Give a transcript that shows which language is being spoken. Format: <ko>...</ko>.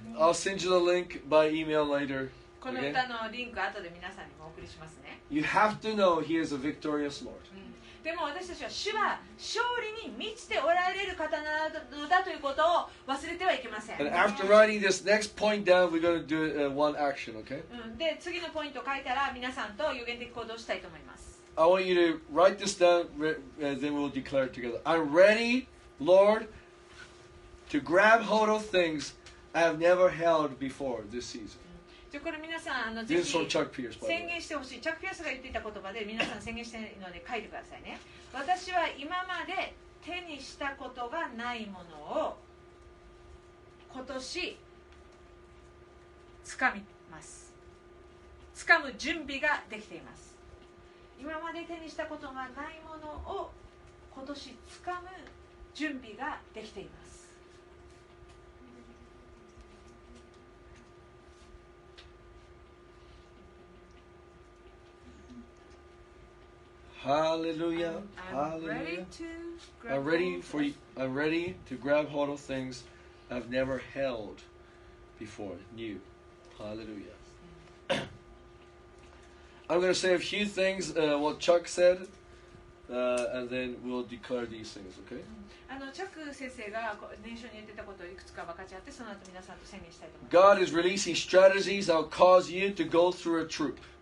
<en>I'll send you the link by email later.</en> <ja>この歌のリンク後で皆さんにもお送りしますね。</ja> <en>You have to know he is a victorious Lord.</en> <ja>でも私たちは主は勝利に満ちておられる方なのだということを忘れてはいけません。</ja> <en>And after writing this next point down, we're going to do one action, okay?</en> <ja>で、次のポイントを書いたら皆さんと予言的行動したいと思います。</ja> <en>I want you to write this down, then we'll declare it together. I'm ready, Lord, to grab hold of things I have never held before this season.</en> <ja>じゃこれ皆さんぜひ宣言してほしい。チャック・ピアスが言っていた言葉で皆さん宣言しているので書いてくださいね。私は今まで手にしたことがないものを今年つかみます。つかむ準備ができています。今まで手にしたことがないものを今年つかむ準備ができています。</ja> <en>Hallelujah, I'm ready to grab hold of things I've never held before, new. Hallelujah. I'm going to say a few things, what Chuck said, and then we'll declare these things, okay?</en> <ja>Chuck 先生が年初に言ってたことをいくつか分かち合って、その後皆さんと宣言したいと思います。</ja> <en>God is releasing strategies that will cause you to go through a troop.</en>